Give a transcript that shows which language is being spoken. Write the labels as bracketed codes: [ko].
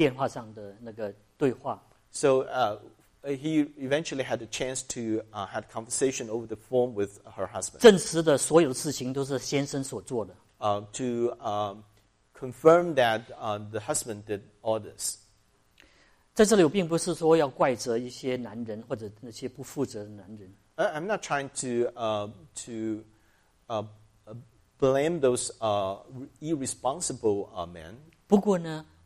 [zh] 后来他有机会就说跟自己的先生有电话上的那个对话。So [en] he eventually had a chance to had conversation over the phone with her husband. [zh] 证实的所有事情都是先生所做的。 [en] To confirm that the husband did all this. [zh] 在这里我并不是说要怪责一些男人或者那些不负责的男人。 [en] I'm not trying to blame those irresponsible men.